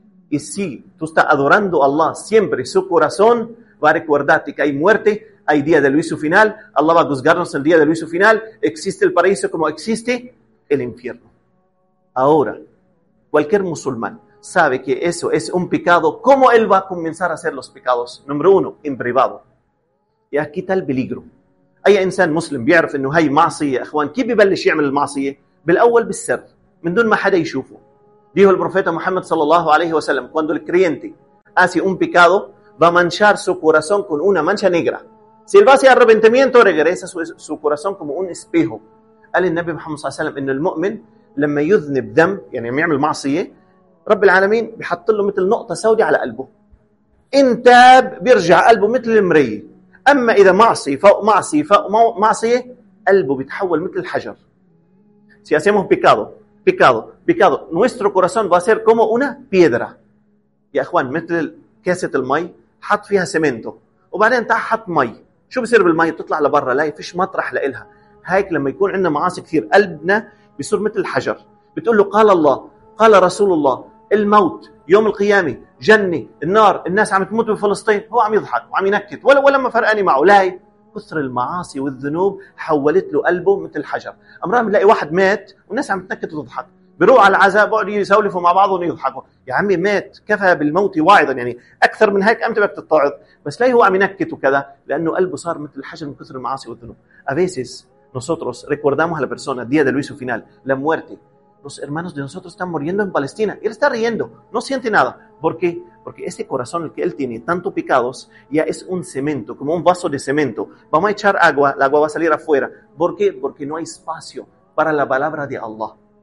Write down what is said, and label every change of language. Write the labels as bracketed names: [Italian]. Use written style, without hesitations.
[Spanish] Y si tú estás adorando a Allah siempre, su corazón va a recordarte que hay muerte, hay día del juicio final. Allah va a juzgarnos el día del juicio final. Existe el paraíso como existe el infierno. Ahora, cualquier musulmán sabe que eso es un pecado. ¿Cómo él va a comenzar a hacer los pecados? Número uno, en privado. Y aquí está el peligro. Hay un [Arabic] insan muslim, بيعرف انه هاي معصيه اخوان كيف ببلش يعمل المعصيه بالاول بالسر من دون ما حدا يشوفه. [Spanish] Dijo el profeta Muhammad sallallahu alayhi wa sallam, cuando el creyente hace un pecado, va a manchar su corazón con una mancha negra. Si él va hacia arrepentimiento, regresa su corazón como un espejo. [Arabic] قال النبي محمد صلى الله عليه وسلم انه المؤمن لما يذنب ذنب يعني لما يعمل معصيه رب العالمين بيحط له مثل نقطه سوداء على قلبه. ان تاب بيرجع قلبه مثل المرايه. اما اذا معصي فوق معصي فوق معصيه قلبه بيتحول مثل الحجر. [Spanish] Si hacemos pecado, pecado, pecado, nuestro corazón va a ser como una piedra. [Arabic] يا اخوان مثل كاسه المي حط فيها سمنتو وبعدين تعال حط مي. شو بصير بالمي؟ بتطلع لبرا لا فيش مطرح لها. هيك لما يكون عندنا معاصي كثير قلبنا بيصير مثل الحجر. بتقول له قال الله قال رسول الله الموت يوم القيامة جنة النار الناس عم تموت بفلسطين هو عم يضحك وعم ينكت ولا ما فرقاني معه. لاي كثر المعاصي والذنوب حولت له قلبه مثل الحجر. أمرا بنلاقي واحد مات والناس عم تنكت وتضحك بيروح على العزاء بقعد يسولفوا مع بعضهم يضحكوا. يا عمي مات كفى بالموت واعظا يعني أكثر من هيك أمتى بدك تتعظ؟ بس لاي هو عم ينكت وكذا لأنه قلبه صار مثل الحجر من كثر المعاصي والذنوب. [Spanish] أبيسيس nosotros recordamos a la persona día del juicio final, la muerte. Los hermanos de nosotros están muriendo en Palestina. Él está riendo, no siente nada. ¿Por qué? Porque ese corazón el que él tiene, tanto pecados, ya es un cemento, como un vaso de cemento. Vamos a echar agua, la agua va a salir afuera. ¿Por qué? Porque no hay espacio para la palabra de Allah.